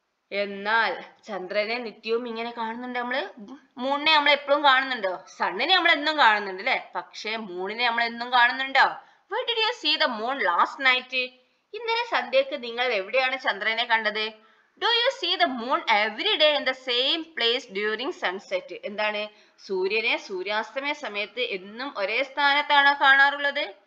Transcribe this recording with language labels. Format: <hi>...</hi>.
<ml>എന്നാൽ ചന്ദ്രനെ നിത്യവും ഇങ്ങനെ കാണുന്നുണ്ട് നമ്മള്, മൂണിനെ നമ്മൾ എപ്പോഴും കാണുന്നുണ്ടോ, സണ്ണിനെ നമ്മൾ എന്നും കാണുന്നുണ്ട് അല്ലേ, പക്ഷേ മൂണിനെ നമ്മൾ എന്നും കാണുന്നുണ്ടോ?</ml> <en>Where did you see the moon last night?</en> <ml>ഇന്നലെ സന്ധ്യയ്ക്ക് നിങ്ങൾ എവിടെയാണ് ചന്ദ്രനെ കണ്ടത്?</ml> <en>Do you see the moon every day in the same place during sunset?</en> <ml>എന്താണ് സൂര്യനെ സൂര്യാസ്തമയ സമയത്ത് എന്നും ഒരേ സ്ഥാനത്താണ് കാണാറുള്ളത്?</ml>